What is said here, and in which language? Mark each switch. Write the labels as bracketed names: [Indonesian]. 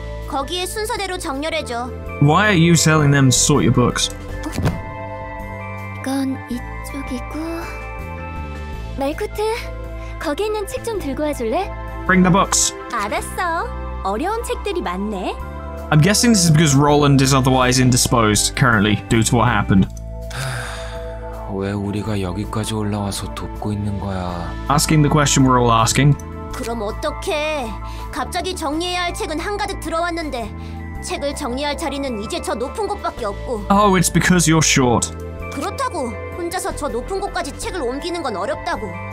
[Korean] 거기에 순서대로 정렬해 줘. [English] Why are you telling them to sort your books? [Korean] 이건 이쪽이고. 멜코트, 거기 있는 책 좀 들고 와 줄래? [English] Bring the books. [Korean] 알았어. 어려운 책들이 많네. [English] I'm guessing this is because Roland is otherwise indisposed currently due to what happened. [Korean] 왜 우리가 여기까지 올라와서 돕고 있는 거야? [English] Asking the question we're all asking. [Korean] 그럼 어떡해? 갑자기 정리해야 할 책은 한가득 들어왔는데 책을 정리할 자리는 이제 저 높은 곳밖에 없고. [English] Oh, it's because you're short. [Korean] 그렇다고 혼자서 저 높은 곳까지 책을 옮기는 건 어렵다고.